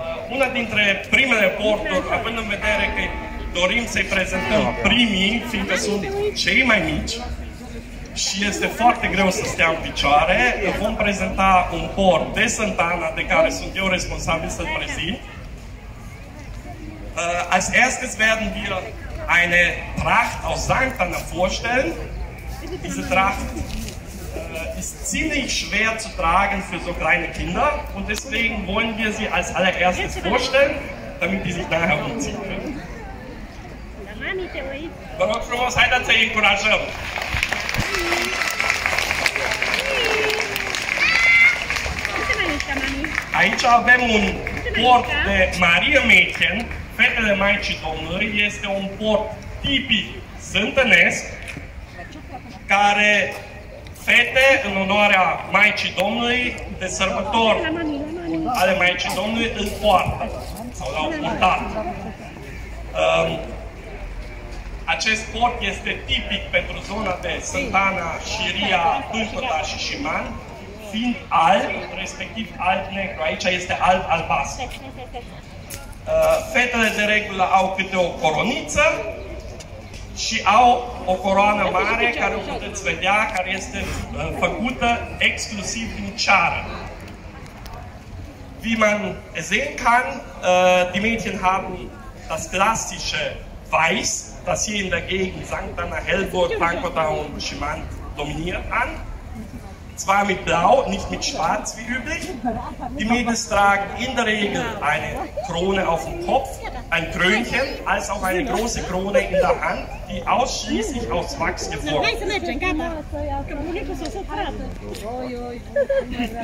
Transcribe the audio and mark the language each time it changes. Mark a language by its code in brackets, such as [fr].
[ro] Una dintre primele porturi, având în vedere că dorim să-i prezentăm primii, fiindcă sunt cei mai mici și este foarte greu să stea în picioare, vom prezenta un port de Sankt Anna, de care sunt eu responsabil să-l prezint. [de] Als erstes werden wir eine Tracht aus Sankt Anna vorstellen. Diese Tracht ist ziemlich schwer zu tragen für so kleine Kinder und deswegen wollen wir sie als allererstes vorstellen, damit die sich nachher umziehen können. [ro] Vă rog frumos, haideți să-i încurajăm! Aici avem un port de Maria Mädchen, Fetele Maicii Domnului, este un port tipic sântănesc, care fete, în onoarea Maicii Domnului, de sărbători ale Maicii Domnului, îl poartă sau l-au purtat. Acest port este tipic pentru zona de Sankt Anna, Șiria, Pâncota și Șiman, fiind alb, respectiv alb-negru. Aici este alb-albastru. Fetele, de regulă, au câte o coroniță și au o coroană mare, care o puteți vedea, care este făcută exclusiv din ceară. [de] Wie man sehen kann, die Mädchen haben das klassische Weiß, das hier in der Gegend Sankt Anna, Hellburg, Pankota und Schimant dominiert an. Zwar mit Blau, nicht mit Schwarz wie üblich. Die Mädels tragen in der Regel eine Krone auf dem Kopf, ein Krönchen, als auch eine große Krone in der Hand, die ausschließlich aus Wachs geformt ist.